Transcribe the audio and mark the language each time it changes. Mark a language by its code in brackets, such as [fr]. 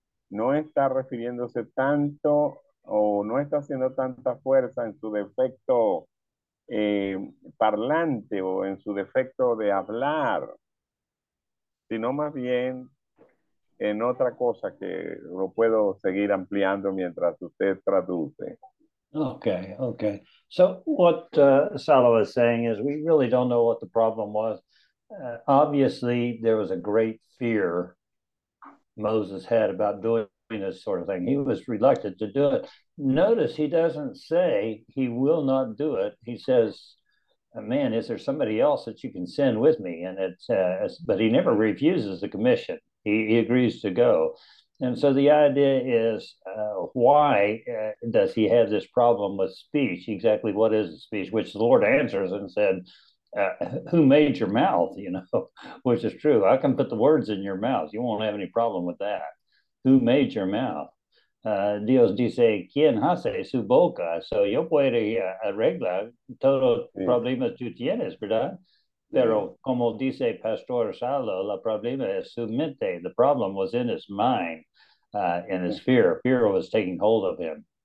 [es] no está refiriéndose tanto o no está haciendo tanta fuerza en su defecto parlante o en su defecto de hablar, sino más bien en otra cosa que lo puedo seguir ampliando mientras usted traduce. [en] Okay, okay. So what Salo is saying is we really don't know what the problem was. Obviously, there was a great fear Moses had about doing this sort of thing. He was reluctant to do it. Notice he doesn't say he will not do it. He says, man, is there somebody else that you can send with me? And but he never refuses the commission. He agrees to go. And so the idea is, why does he have this problem with speech? Exactly what is speech? Which the Lord answers and said, who made your mouth? You know, which is true. I can put the words in your mouth. You won't have any problem with that. Who made your mouth? [es] Dios dice, ¿quién hace su boca? So yo puedo arreglar todos los problemas que tienes, ¿verdad? Pero como dice Pastor Salo, el problema es su mente. [en] The problem was in his mind, in his fear. Fear was taking hold of him.